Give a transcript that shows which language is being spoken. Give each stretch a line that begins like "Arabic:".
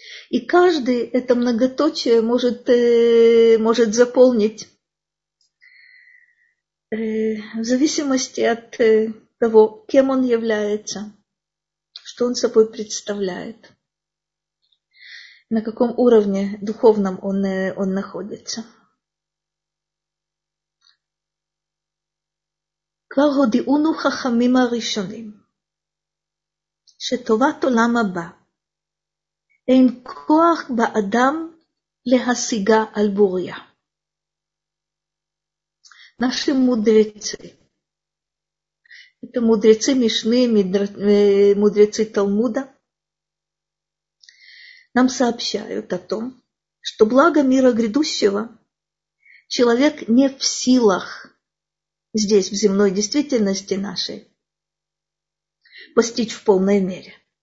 Russian: И каждый это многоточие может заполнить в зависимости от того, кем он является, что он собой представляет, на каком уровне духовном он находится.
Hebrew: כבר הודיעונו חכמים הראשונים שטובת עולם הבא אין כוח באדם להשיגה על בוריה. נשי מודרצי, את המודרצי משני, מודרצי תלמודה,
Russian: нам сообщают о том, что благо мира грядущего человек не в силах здесь, в земной действительности нашей, постичь в полной мере.